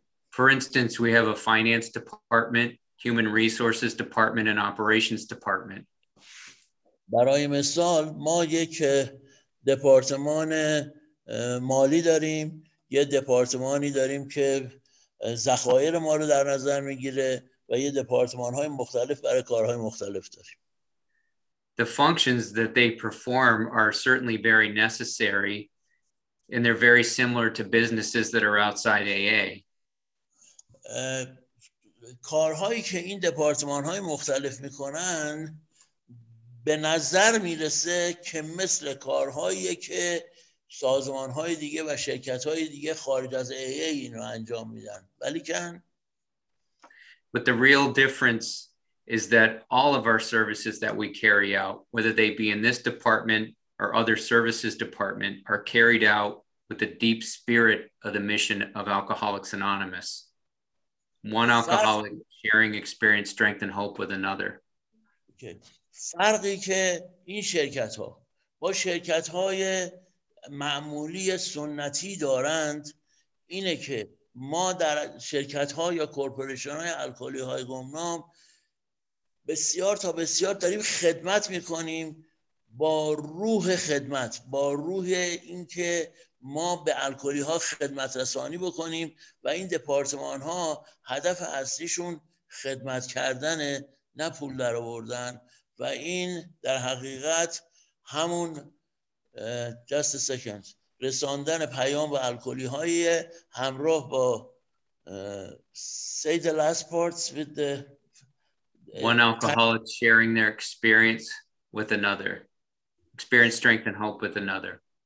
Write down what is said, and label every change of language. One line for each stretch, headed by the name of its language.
English: For instance, we have a finance department, human resources department and operations department.
Persian: برای مثال ما یک دپارتمان مالی داریم، یه دپارتمانی داریم که ذخایر ما رو در نظر میگیره و یه دپارتمان‌های مختلف برای کارهای مختلف داریم.
English: The functions that they perform are certainly very necessary and they're very similar to businesses that are outside AA.
Persian: کارهایی که این دپارتمان‌های مختلف می‌کنن به نظر میرسه که مثل کارهایی که سازمان‌های دیگه و شرکت‌های دیگه خارج از AA اینو انجام میدن، ولی کن.
English: But the real difference is that all of our services that we carry out, whether they be in this department or other services department, are carried out with the deep spirit of the mission of Alcoholics Anonymous. One alcoholic sharing experience, strength, and hope with another. Okay.
Persian: فرقی که این شرکت‌ها با شرکت‌های معمولی سنتی دارند اینه که ما در شرکت ها یا کورپوریشن های الکلی های گمنام بسیار تا بسیار داریم خدمت می کنیم با روح خدمت، با روح اینکه ما به الکلی ها خدمت رسانی بکنیم و این دپارتمان ها هدف اصلیشون خدمت کردن نه پول در آوردن و این در حقیقت همون
English: just a second
Persian: رساندن پیام به الکلی های همراه با
English: say the last parts with the one alcoholic sharing their experience with another experience strength and hope with another